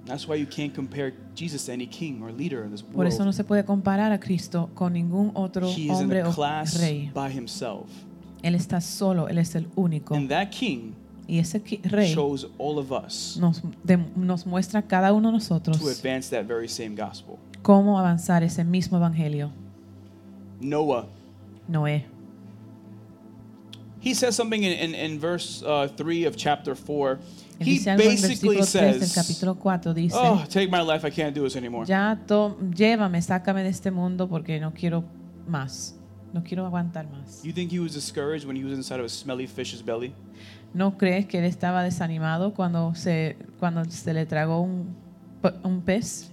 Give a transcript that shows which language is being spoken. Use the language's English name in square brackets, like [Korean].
[English] That's why you can't compare Jesus to any king or leader in this world. [Spanish] Por eso no se puede comparar a Cristo con ningún otro hombre o rey. [English] By himself. [Spanish] Él está solo, él es el único. [English] And that king [Spanish] y ese rey [English] shows all of us [Spanish] nos muestra a cada uno de nosotros [English] to advance that very same gospel. [Spanish] Cómo avanzar ese mismo evangelio. [English] Noah. [Spanish] Noé. [English] He says something in verse 3 of chapter 4. He basically says, oh, take my life, I can't do this anymore. [Spanish] Ya, llévame, sácame de este mundo porque no quiero más. No quiero aguantar más. [English] You think he was discouraged when he was inside of a smelly fish's belly? [Spanish] ¿No crees que él estaba desanimado cuando se le tragó un pez?